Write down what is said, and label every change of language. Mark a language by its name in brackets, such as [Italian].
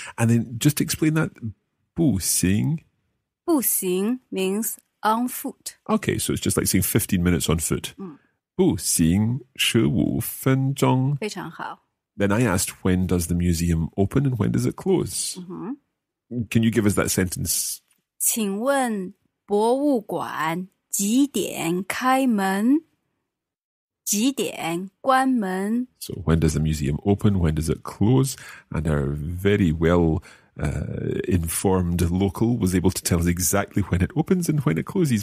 [English] And then just explain that. 步行. 步行 means on foot. Okay, so it's just like saying 15 minutes on foot. Mm. [Chinese] 步行15分钟. 非常好. [English] Then I asked, when does the museum open and when does it close? Mm-hmm. Can you give us that sentence? [Chinese] 请问博物馆几点开门?几点关门? [English] So when does the museum open? When does it close? And our very well informed local was able to tell us exactly when it opens and when it closes.